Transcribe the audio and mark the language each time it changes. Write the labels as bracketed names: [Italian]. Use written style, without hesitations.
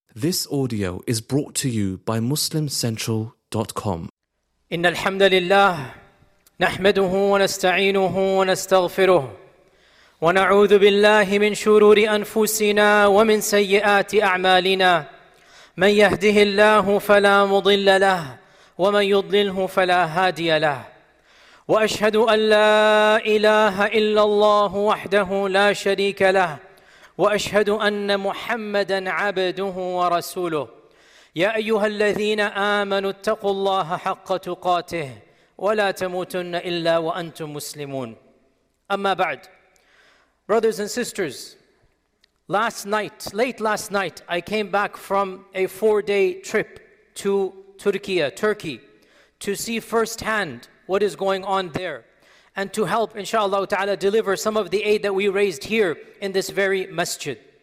[English] This audio is brought to you by MuslimCentral.com. [Arabic] إن الحمد لله نحمده ونستعينه ونستغفره ونعوذ بالله من شرور أنفسنا ومن سيئات أعمالنا من يهده الله فلا مضل له ومن يضلله فلا هادي له وأشهد أن لا إله إلا الله وحده لا شريك له وأشهد أن محمدًا عبده ورسوله يا أيها الذين آمنوا اتقوا الله حق تقاته ولا تموتن إلا وأنتم مسلمون أما بعد. [English] Brothers and sisters, late last night I came back from a 4-day trip to Turkey to see firsthand what is going on there and to help, inshallah ta'ala, deliver some of the aid that we raised here in this very masjid.